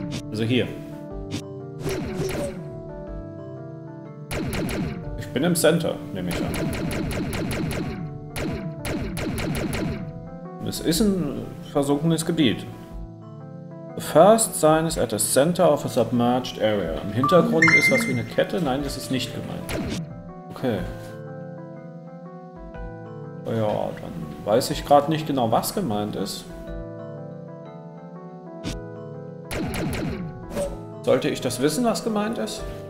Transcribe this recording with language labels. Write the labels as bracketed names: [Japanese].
[German] Also hier. Ich bin im Center, nehme ich an. Es ist ein versunkenes Gebiet. [English] The first sign is at the center of a submerged area. [German] Im Hintergrund ist was wie eine Kette. Nein, das ist nicht gemeint. Okay. Ja, dann weiß ich gerade nicht genau, was gemeint ist. Sollte ich das wissen, was gemeint ist?